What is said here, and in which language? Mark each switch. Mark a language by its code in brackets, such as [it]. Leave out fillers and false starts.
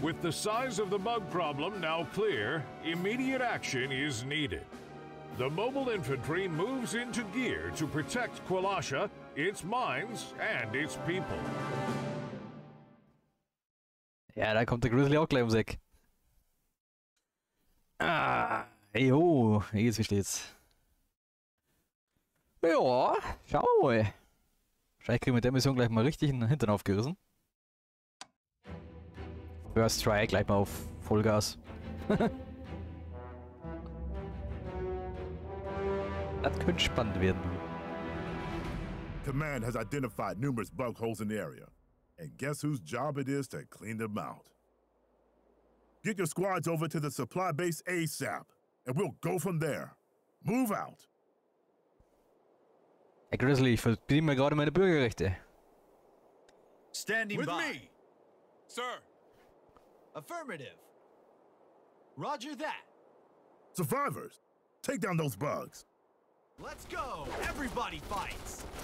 [en] With the size of the bug problem now clear, immediate action is needed. The mobile infantry moves into gear to protect Quilasha, its mines, and its people. [de] Ja, da kommt der Grizzly auch gleich ums Eck. Ah, jo, jetzt wie steht's? Ja, schau mal. Wahrscheinlich kriegen wir mit der Mission gleich mal richtig in den Hintern aufgerissen. [en] First try, [de] gleich mal auf Vollgas. Das könnte spannend werden. [en] Command has identified numerous bug holes in the area. And guess whose job it is to clean them out. Get your squads over to the supply base ASAP, and we'll go from there. Move out. [de] Hey Grizzly, ich verdiene mir gerade meine Bürgerrechte. [en] Standing with by. Me. Sir. Affirmative. Roger that. Survivors, take down those bugs. Let's go. Everybody fights.